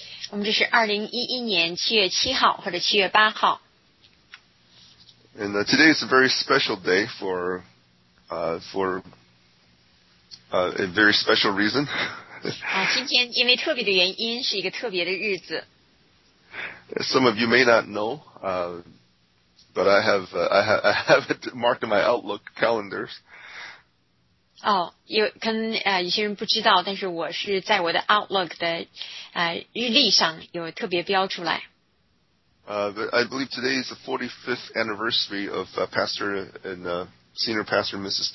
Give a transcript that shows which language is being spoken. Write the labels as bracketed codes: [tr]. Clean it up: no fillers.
[zh] 我们这是2011年7月7号或者7月8号。 [en] And today is a very special day for a very special reason. [zh] 今天因为特别的原因是一个特别的日子。 [en] Some of you may not know, but I have it marked in my Outlook calendars. [zh] 有些人不知道，但是我是在我的 Outlook 的日历上有特别标出来。 [en] But I believe today is the 45th anniversary of Pastor and Senior Pastor Mrs.